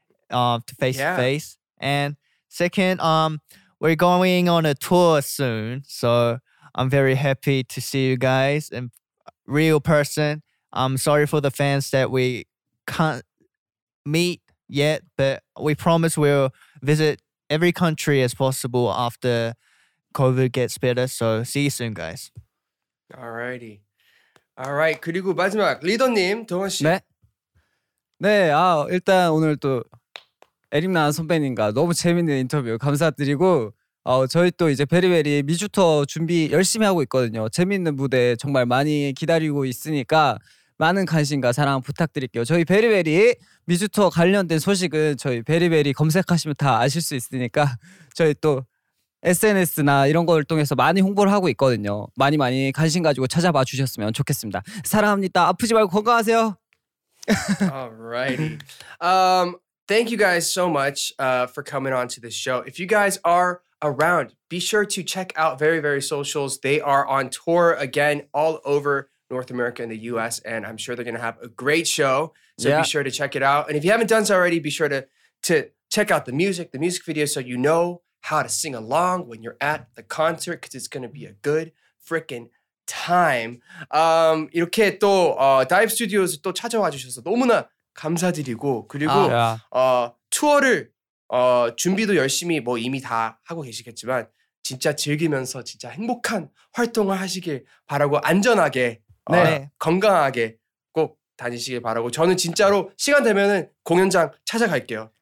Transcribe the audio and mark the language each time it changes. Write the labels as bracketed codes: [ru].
[en] To face to face. And second, we're going on a tour soon, so I'm very happy to see you guys in real person. I'm sorry for the fans that we can't meet yet, but we promise we'll visit every country as possible after COVID gets better. So see you soon, guys. Alrighty. Alright. [ko] 그리고 마지막 리더님 동원 씨. 네. 네. 아 일단 오늘 또 에릭난 선배님과 너무 재밌는 인터뷰 감사드리고 저희 또 이제 베리베리 미주 투어 준비 열심히 하고 있거든요. 재밌는 무대 정말 많이 기다리고 있으니까 많은 관심과 사랑 부탁드릴게요. 저희 베리베리 미주 투어 관련된 소식은 저희 베리베리 검색하시면 다 아실 수 있으니까 저희 또 SNS나 이런 걸 통해서 많이 홍보를 하고 있거든요. 많이 많이 관심 가지고 찾아봐 주셨으면 좋겠습니다. 사랑합니다. 아프지 말고 건강하세요. [en] Alrighty. Thank you guys so much for coming on to this show. If you guys are around, be sure to check out Very Very Socials. They are on tour again all over North America and the US. And I'm sure they're going to have a great show. So be sure to check it out. And if you haven't done so already, be sure to check out the music video, so you know how to sing along when you're at the concert, because it's going to be a good freaking time. [ko] 이렇게 또 Dive Studios 또 찾아와 주셔서 너무나 감사드리고 그리고 투어를 준비도 열심히 뭐 이미 다 하고 계시겠지만 진짜 즐기면서 진짜 행복한 활동을 하시길 바라고 안전하게 건강하게 꼭 다니시길 바라고 저는 진짜로 시간 되면은 공연장 찾아갈게요.